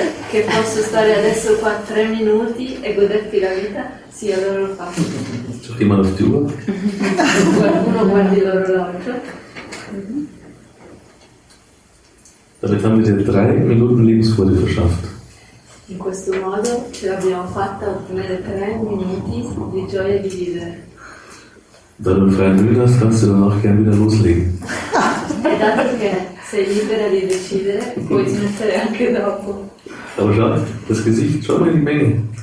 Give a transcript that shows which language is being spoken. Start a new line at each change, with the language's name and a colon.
Italian: Che posso stare adesso qua 3 minuti e goderti la vita? Sì, allora lo faccio. C'è prima la tua? Qualcuno guardi l'orologio.
German: Damit haben wir dir 3 Minuten Lebensfreude verschafft.
Italian: In questo modo ce l'abbiamo fatta a ottenere 3 minuti di gioia di vivere.
German: Wenn du einen freien Willen hast, kannst du danach gern wieder loslegen.
Italian: E dato che sei libera di decidere, puoi smettere anche dopo.
German: Aber schau, das Gesicht, schau mal die Menge.